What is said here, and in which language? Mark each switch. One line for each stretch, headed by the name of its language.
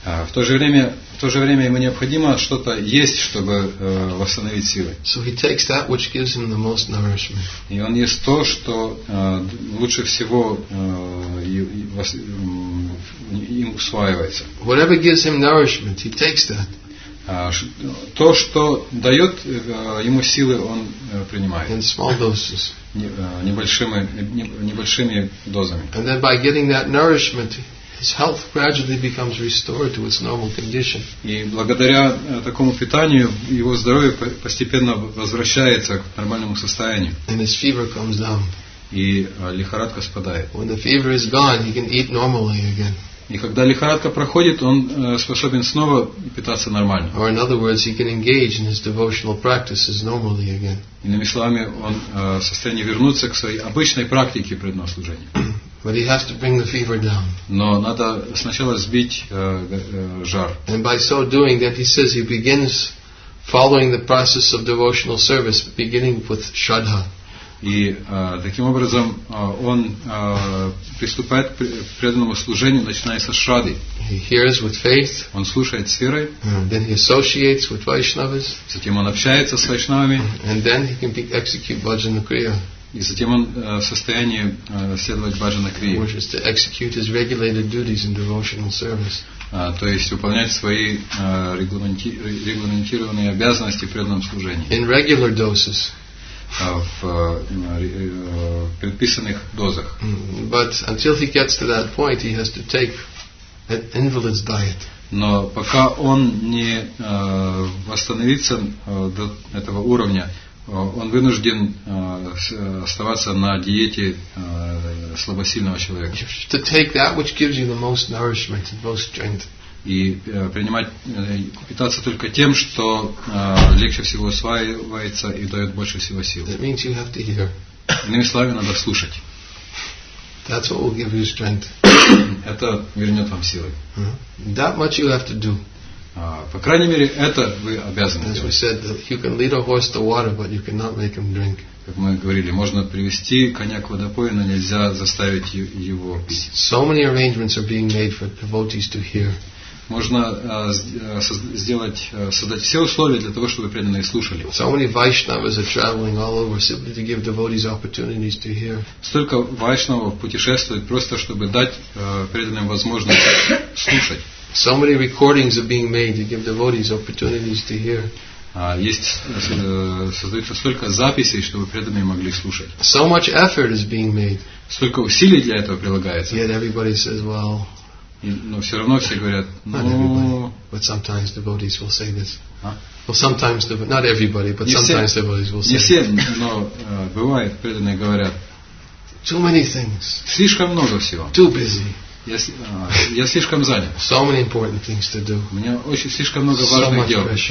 Russian: В то же время ему необходимо что-то есть, чтобы восстановить силы.
English: So he takes that which gives him the most nourishment.
Russian: И он ест то, что лучше всего им усваивается.
English: Whatever gives him nourishment, he takes that.
Russian: То, что дает ему силы, он принимает.
English: In small doses.
Russian: Небольшими дозами.
English: And then by getting that nourishment, his health gradually becomes restored to its normal condition.
Russian: И благодаря такому питанию его здоровье постепенно возвращается к нормальному состоянию.
English: And his fever comes down.
Russian: И лихорадка спадает.
English: When the fever is gone, he can eat normally again.
Russian: И когда лихорадка проходит, он способен снова питаться нормально.
English: Or in other words, he can engage in his devotional practices normally again.
Russian: Иными словами, он в состоянии вернуться к своей обычной практике преданного служения.
English: But he has to bring the fever down.
Russian: Но надо сначала сбить жар.
English: And by so doing, then he says he begins following the process of devotional service, beginning with shraddha.
Russian: И таким образом он приступает к преданному служению, начиная со шрады.
English: He hears with faith.
Russian: Он слушает с верой.
English: Then he associates with Vaishnavas.
Russian: Затем он общается с вайшнавами.
English: And then he can execute bhajana kriya.
Russian: И затем он в состоянии следовать баджана крии,
English: which is to execute his regulated duties in devotional service.
Russian: То есть выполнять свои регламентированные обязанности в преданном служении.
English: In regular doses.
Russian: В предписанных дозах.
English: But until he gets to that point, he has to take an invalid's diet.
Russian: Но пока он не восстановится до этого уровня, он вынужден оставаться на диете слабосильного человека.
English: To take that which gives you the most nourishment and most strength.
Russian: И принимать, питаться только тем, что легче всего усваивается и дает больше всего сил.
English: That means you have to hear.
Russian: Иными словами, надо слушать.
English: That's what will give you strength.
Russian: Это вернет вам силы.
English: That much you have to do.
Russian: По крайней мере, это вы обязаны делать.
English: As we said, you can lead a horse to water, but you cannot make him drink.
Russian: Как мы говорили, можно привести коня к водопою, но нельзя заставить его пить.
English: So many arrangements are being made for devotees to hear.
Russian: Можно сделать, создать все условия для того, чтобы преданные слушали.
English: So many Vaishnavas are traveling all over simply to give devotees opportunities to hear.
Russian: Столько вайшнавов путешествует просто чтобы дать преданным возможность слушать.
English: So many recordings are being made to give devotees opportunities to hear.
Russian: Создается столько записей, чтобы преданные могли слушать.
English: So much effort is being made.
Russian: Столько усилий для этого прилагается.
English: Yet everybody says, well.
Russian: Но все равно все говорят,
English: But sometimes devotees will say this. Well, sometimes not everybody, but sometimes devotees will say.
Russian: Не все, но бывает, преданные говорят.
English: Too many things.
Russian: Слишком много всего.
English: Too busy.
Russian: Я слишком занят.
English: So many important things to do.
Russian: У меня очень слишком много важных дел.